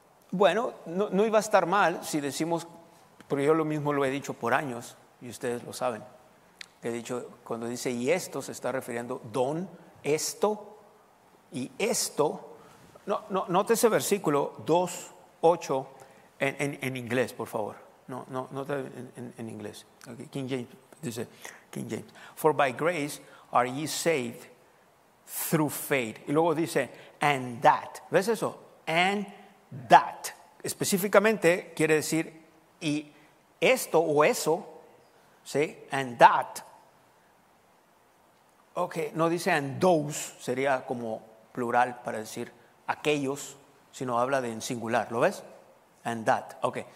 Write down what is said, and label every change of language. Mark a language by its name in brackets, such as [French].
[Spanish] Bueno, no iba a estar mal si decimos, porque yo lo mismo lo he dicho por años, y ustedes lo saben, he dicho, cuando dice y esto se está refiriendo don, esto, y esto, note ese versículo 2:8 en inglés, por favor. Note en inglés. Okay. King James dice, King James. [English] For by grace are ye saved through faith. [Spanish] Y luego dice, [English] and that. [Spanish] ¿Ves eso? [English] And that. [Spanish] Específicamente quiere decir, y esto o eso, ¿sí? [English] And that. [Spanish] Ok, no dice [English] and those, [Spanish] sería como plural para decir aquellos, sino habla de en singular, ¿lo ves? [English] And that, ok.